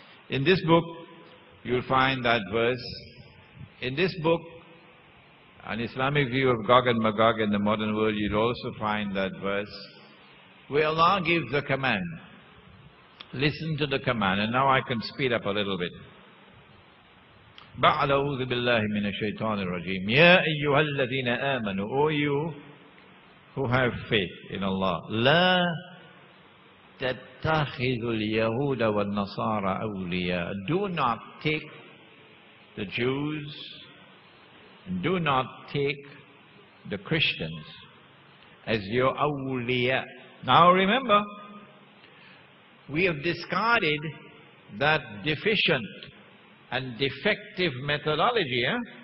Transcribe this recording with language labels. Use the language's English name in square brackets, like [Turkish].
[English] In this book, you'll find that verse. In this book, An Islamic View of Gog and Magog in the Modern World, you'll also find that verse, where Allah gives a command. Listen to the command, and now I can speed up a little bit. [Arabic] بعد أعوذ بالله من الشيطان الرجيم يا أيها الذين آمنوا [English] O you who have faith in Allah, [Arabic] لا تتخذوا اليهود والنصارى أولياء. [English] Do not take the Jews, do not take the Christians as your أولياء. Now remember, we have discarded that deficient and defective methodology, eh?